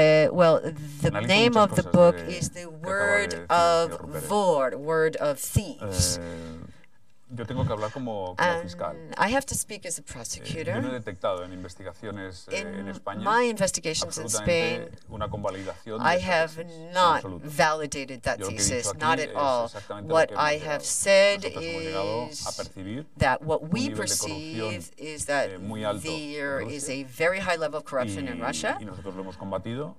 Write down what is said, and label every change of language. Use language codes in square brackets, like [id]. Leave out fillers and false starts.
[en] Well, the name of the book is The Word of Vor, Word of Thieves. [es] Yo tengo que hablar como fiscal. [en] I have to speak as a prosecutor. [es] Yo no he detectado en investigaciones en España. [en] In my investigations in Spain, [es] una convalidación. [en] I have not validated that thesis, not at all. What I have said is that what we perceive is that there is a very high level of corruption in Russia. [es] Y nosotros lo hemos combatido.